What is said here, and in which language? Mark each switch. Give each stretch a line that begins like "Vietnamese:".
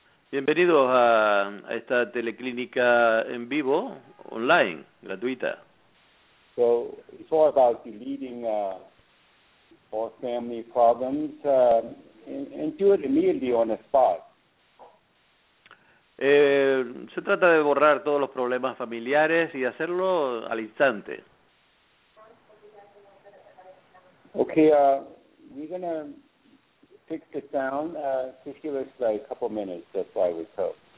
Spanish: Bienvenidos a esta teleclínica en vivo, online, gratuita.
English: So, it's all about the leading all family problems and do it immediately on the spot.
Spanish: Se trata de borrar todos los problemas familiares y hacerlo al instante.
English: Okay, we're gonna fix the sound. Just give us like a couple minutes. That's why we talk.